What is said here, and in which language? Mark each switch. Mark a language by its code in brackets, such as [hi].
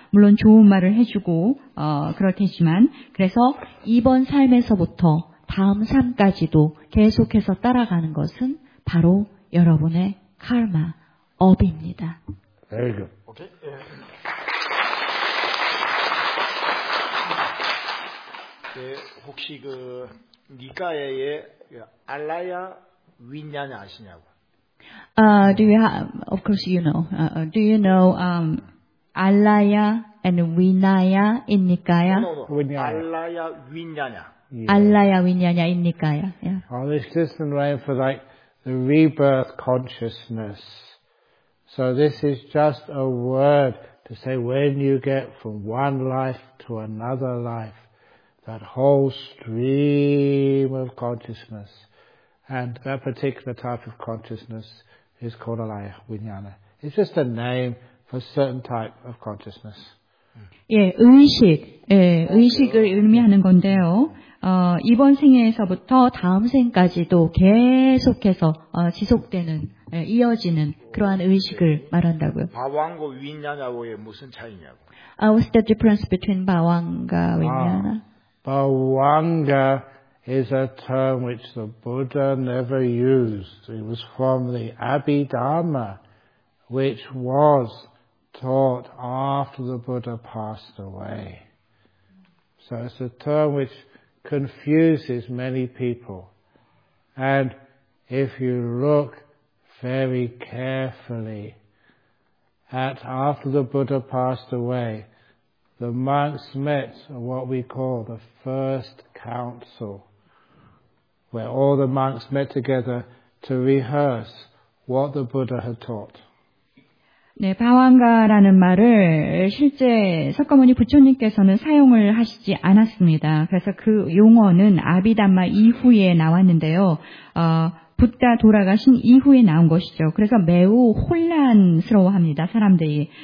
[ko] 물론 좋은 말을 해주고 그렇겠지만 그래서 이번 삶에서부터 다음 삶까지도 계속해서 따라가는 것은 바로 여러분의 카르마, 업입니다. [en] Very good. Okay. [ko] Yeah. 네, 혹시 그 니카야의 알라야 윈냐냐 아시냐고? [en] Do you have, of course you know. Do you know Alaya and Vinaya in Nikaya? No. Alaya Vinyanya. Alaya Vinyanya in Nikaya. Oh, this is the name for like the rebirth consciousness. So this is just a word to say when you get from one life to another life, that whole stream of consciousness, and that particular type of consciousness is called Alaya Vinyana. It's just a name for a certain type of consciousness. [ko] 예, 의식. 예, 의식을 의미하는 건데요. 이번 생에서부터 다음 생까지도 계속해서 지속되는, 이어지는 그러한 의식을 말한다고요. 바왕과 위냐냐고의 무슨 차이냐고. [en] What's the difference between 바왕과 위냐냐? Bhavanga is a term which the Buddha never used. It was from the Abhidharma, which was taught after the Buddha passed away. So it's a term which confuses many people. And if you look very carefully at after the Buddha passed away, the monks met what we call the first council, where all the monks met together to rehearse what the Buddha had taught. [ko] 네, 바왕가라는 말을 실제 석가모니 부처님께서는 사용을 하시지 않았습니다. 그래서 그 용어는 아비담마 이후에 나왔는데요. 붓다 돌아가신 이후에 나온 것이죠. 그래서 매우 혼란스러워합니다, 사람들이.